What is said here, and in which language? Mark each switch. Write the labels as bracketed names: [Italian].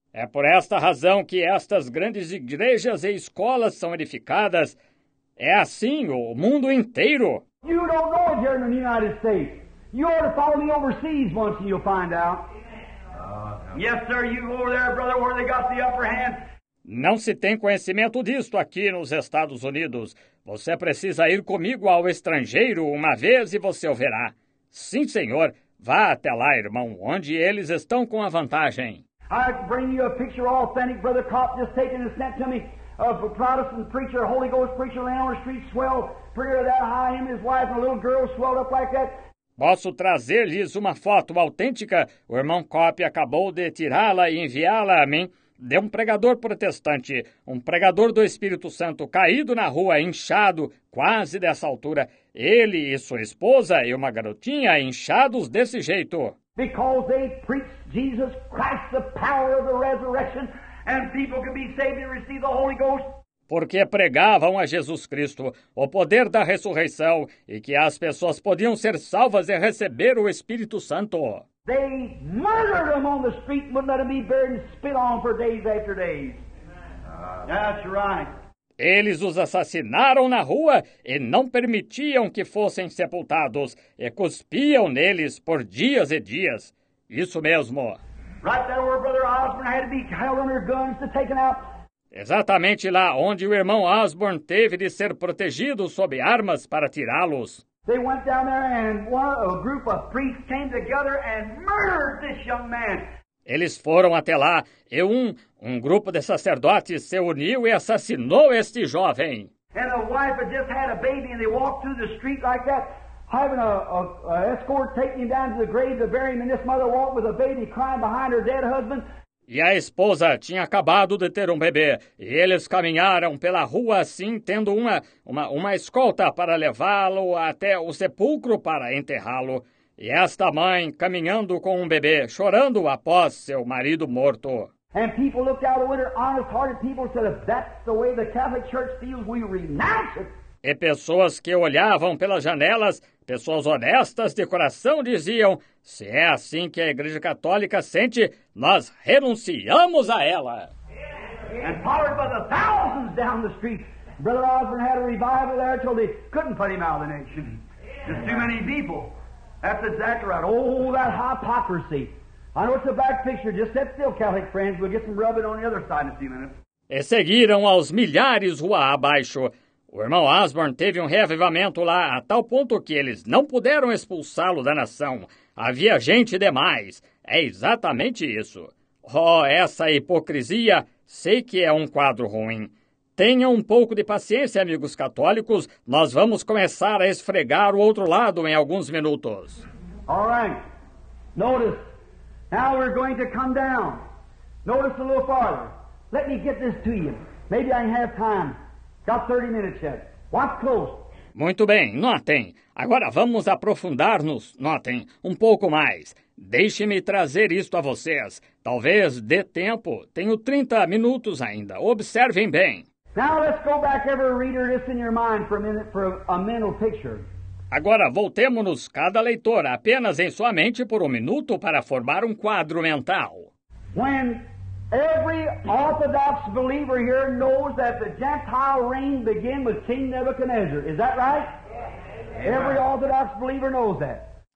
[Portuguese] É por esta razão que estas grandes igrejas e escolas são edificadas. É assim o mundo inteiro. [English] You don't know it here in the United States. You ought to follow me overseas once and you'll find out. Yes, sir, you go over there, brother, where they got the upper hand. [Portuguese] Não se tem conhecimento disto aqui nos Estados Unidos. Você precisa ir comigo ao estrangeiro uma vez e você o verá. Sim, senhor. Vá até lá, irmão, onde eles estão com a vantagem. [English] I bring you a picture authentic, brother Cop, just taken and sent to me. Of a Protestant preacher, Holy Ghost preacher, laying on the street, swelled, prayer that high, him, his wife, and a little girl swelled up like that. [Portuguese] Posso trazer-lhes uma foto autêntica? O irmão Copp acabou de tirá-la e enviá-la a mim. De um pregador protestante, um pregador do Espírito Santo, caído na rua, inchado, quase dessa altura. Ele e sua esposa e uma garotinha, inchados desse jeito. [English] Because they preach Jesus Christ, the power of the resurrection. And people can be saved and receive the Holy Ghost. [Portuguese] Porque pregavam a Jesus Cristo o poder da ressurreição e que as pessoas podiam ser salvas e receber o Espírito Santo. [English] They murdered him on the street and wouldn't let him be buried and spit on for days after days. That's right. [Portuguese] Eles os assassinaram na rua e não permitiam que fossem sepultados e cuspiam neles por dias e dias. Isso mesmo. [English] Right there where Brother Osborne had to be held under guns to take him out. [Portuguese] Exatamente lá onde o irmão Osborne teve de ser protegido sob armas para tirá-los. [English] They went down there and a group of priests came together and murdered this young man. [Portuguese] Eles foram até lá e um grupo de sacerdotes se uniu e assassinou este jovem. [English] And a wife had just had a baby and they walked through the street like that. Having a escort taking him down to the grave to bury him, and this mother walked with a baby crying behind her dead husband. [Portuguese] E a esposa tinha acabado de ter um bebê, e eles caminharam pela rua assim, tendo uma escolta para levá-lo até o sepulcro para enterrá-lo. E esta mãe caminhando com um bebê, chorando após seu marido morto. [English] And people looked out the window, honest-hearted people, said, if that's the way the Catholic Church feels, we renounce it. [Portuguese] E pessoas que olhavam pelas janelas, pessoas honestas de coração, diziam, se é assim que a Igreja Católica sente, nós renunciamos a ela. [English] And powered by the thousands down the street, Brother Osborne had a revival there until they couldn't put him out of the nation. There's too many people. That's exactly right. Oh, that hypocrisy. I know it's a bad picture. Just sit still, Catholic friends. We'll get some rubbing on the other side in a few minutes. [Portuguese] E seguiram aos milhares rua abaixo. O irmão Osborne teve um reavivamento lá a tal ponto que eles não puderam expulsá-lo da nação. Havia gente demais. É exatamente isso. Oh, essa hipocrisia, sei que é um quadro ruim. Tenham um pouco de paciência, amigos católicos. Nós vamos começar a esfregar o outro lado em alguns minutos. [English] All right. Notice. Now we're going to come down. Notice a little farther. Let me get this to you. Maybe I have time. Got 30 minutes yet. Watch close. [Portuguese] Muito bem, notem. Agora vamos aprofundar-nos, notem, um pouco mais. Deixe-me trazer isto a vocês. Talvez dê tempo. Tenho 30 minutos ainda. Observem bem. [English] Now let's go back every reader this in your mind for a minute for a mental picture. [Portuguese] Agora voltemo-nos cada leitor apenas em sua mente por um minuto para formar um quadro mental. [English] When every orthodox believer here knows that the Gentile reign began with King Nebuchadnezzar, is that right? Every orthodox believer knows that.